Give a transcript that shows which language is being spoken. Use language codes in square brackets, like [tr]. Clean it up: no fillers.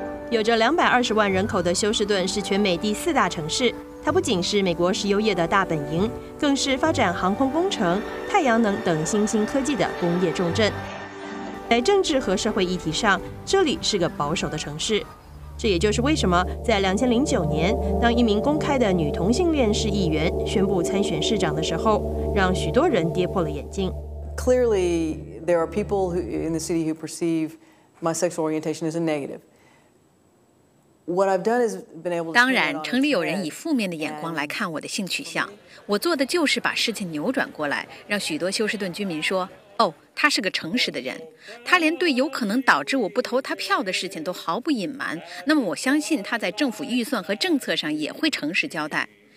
[zh] 有着220万人口的休斯顿是全美第四大城市，它不仅是美国石油业的大本营，更是发展航空工程、太阳能等新兴科技的工业重镇。在政治和社会议题上，这里是个保守的城市。这也就是为什么在2009年，当一名公开的女同性恋市议员宣布参选市长的时候，让许多人跌破了眼镜。 [en] Clearly, there are people who, in the city who perceive my sexual orientation as a negative. [zh] 当然，城里有人以负面的眼光来看我的性取向。我做的就是把事情扭转过来，让许多休斯顿居民说：“哦，他是个诚实的人，他连对有可能导致我不投他票的事情都毫不隐瞒。” 那么我相信他在政府预算和政策上也会诚实交代。